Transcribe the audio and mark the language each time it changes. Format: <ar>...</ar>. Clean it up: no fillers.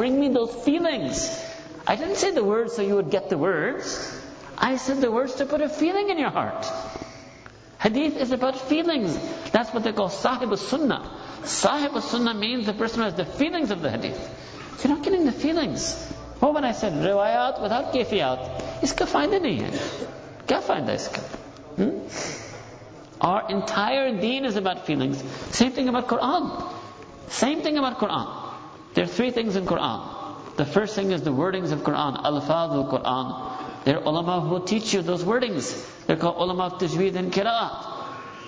<en>Bring me those feelings. I didn't say the words so you would get the words. I said the words to put a feeling in your heart. Hadith is about feelings. That's what they call Sahib al-Sunnah. Sahib al-Sunnah means the person who has the feelings of the Hadith. So you're not getting the feelings. Well, when I said روایت without کیفیت,</en> <ur>اسکا فائدہ نہیں ہے. کیا فائدہ اسکا؟</ur> <en>Our entire deen is about feelings. Same thing about Quran. Same thing about Quran. There are three things in Quran. The first thing is the wordings of Quran, alfaz al-Quran. There are ulama who teach you those wordings. They're called ulama of tajweed and qiraat.</en>